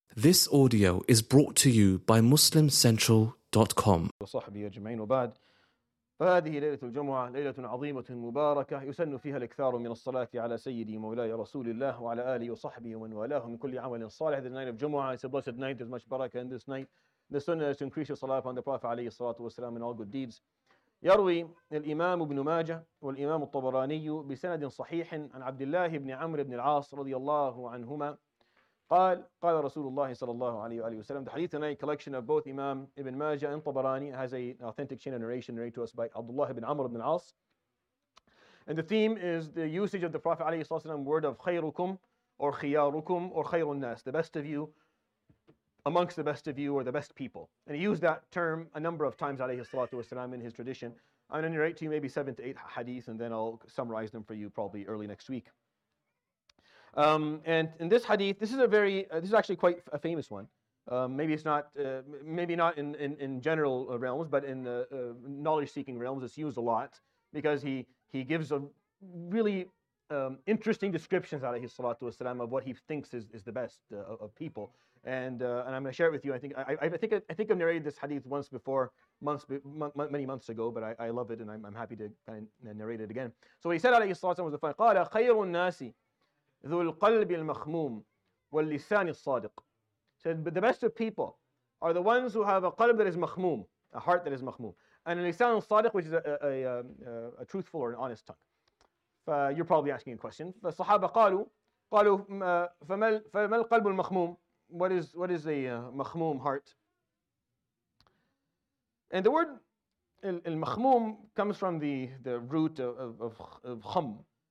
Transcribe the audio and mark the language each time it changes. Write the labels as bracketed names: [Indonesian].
[English] This audio is brought to you by MuslimCentral.com. [Arabic] وصحبي أجمعين وبعد فهذه ليلة الجمعة ليلة عظيمة مباركة يسن فيها الإكثار من الصلاة على سيدي مولاي رسول الله وعلى آله وصحبه ومن والاه من كل عمل صالح. [English] This night of Jumu'ah is a blessed night. There's much barakah in this night. The sunnah is to increase your salah upon the Prophet [Arabic] عليه الصلاة والسلام [English] and all good deeds. [Arabic] يروي الإمام ابن ماجة والإمام الطبراني بسند صحيح عن عبد الله بن عمرو بن العاص رضي الله عنهما قال قال رسول الله صلى الله عليه وآله وسلم. [English] The hadith tonight, collection of both Imam Ibn Majah and Tabarani, has an authentic chain of narration narrated to us by Abdullah ibn Amr ibn As. And the theme is the usage of the Prophet [Arabic] عليه الصلاة والسلام [English] word of خيركم or خياركم or خير الناس, the best of you amongst the best of you or the best people. And he used that term a number of times [Arabic] عليه الصلاة والسلام [English] in his tradition. I'm going to narrate to you maybe 7 to 8 hadith and then I'll summarize them for you probably early next week. And in this hadith, this is actually quite a famous one. Maybe not in general realms, but in knowledge-seeking realms, it's used a lot because he gives a really interesting descriptions [Arabic] alayhi salatu wasalam [English] of what he thinks is the best of people. And I'm going to share it with you. I think I've narrated this hadith once before, many months ago, but I love it and I'm happy to kind of narrate it again. So what he said [Arabic] alayhi salatu wasalam [English] was the fun. [Arabic] قَالَ خَيْرُ النَّاسِ ذو القلب المخموم واللسان الصادق. [English] Said, but the best of people are the ones who have a qalb that is makhmoom, a heart that is makhmoom, and a lisan al-sadiq, which is a truthful or an honest tongue. You're probably asking a question. [Arabic] فالصحابه قالوا قالوا فما القلب المخموم. [English] What is a makhmoom heart? And the word al-makhmoom comes from the root of kham.